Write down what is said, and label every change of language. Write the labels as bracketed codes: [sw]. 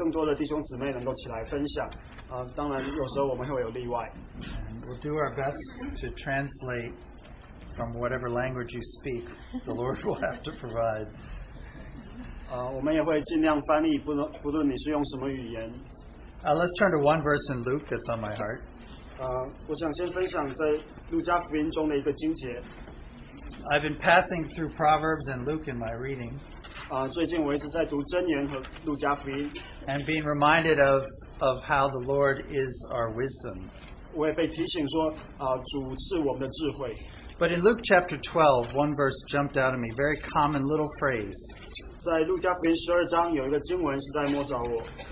[zh] 我们这样做的目的是为了让更多的弟兄姊妹能够起来分享。当然有时候我们会有例外。 [en] And we'll do our best to translate from whatever language you speak. The Lord will have to provide. [zh] 我们也会尽量翻译，不论你是用什么语言。 [en] Let's turn to one verse in Luke that's on my heart. [zh] 我想先分享在路加福音中的一个经节。 [en] I've been passing through Proverbs and Luke in my reading. [zh] 最近我一直在读箴言和路加福音。 [en] And being reminded of how the Lord is our wisdom. [zh] 我也被提醒说，主是我们的智慧。 [en] But in Luke chapter 12, one verse jumped out at me, very common little phrase. [zh] 在路加福音12章有一个经文是在摸着我。